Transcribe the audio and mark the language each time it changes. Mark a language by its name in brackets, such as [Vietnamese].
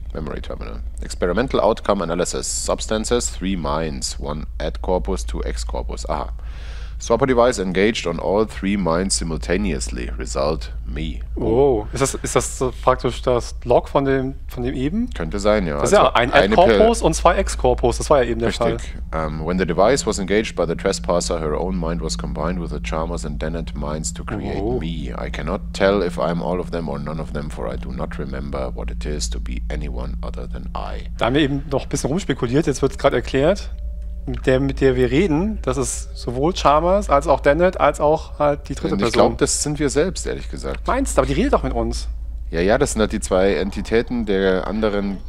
[English] Memory Terminal. Experimental Outcome Analysis. Substances, 3 Minds. 1 Ad Corpus, 2 Ex Corpus. Aha. Swapper Device engaged on all 3 Minds simultaneously. Result, me. [German] Oh, ist das so praktisch das Log von dem eben? Könnte sein, ja. Das ist also ja ein Ad Corpus und 2 Ex Corpus. Das war ja eben der richtig. Fall. [English] When the device was engaged by the trespasser, her own mind was combined with the charmer's and Dennett minds to create me. I cannot tell if I'm all of them or none of them, for I do not remember what it is to be anyone other than I. [German] Da haben wir eben noch ein bisschen rumspekuliert. Jetzt wird es gerade erklärt. Mit der wir reden, das ist sowohl Chalmers als auch Dennett, als auch halt die dritte Person. Ich glaube, das sind wir selbst, ehrlich gesagt. Meinst du? Aber die redet doch mit uns. Ja, das sind halt die zwei Entitäten der anderen.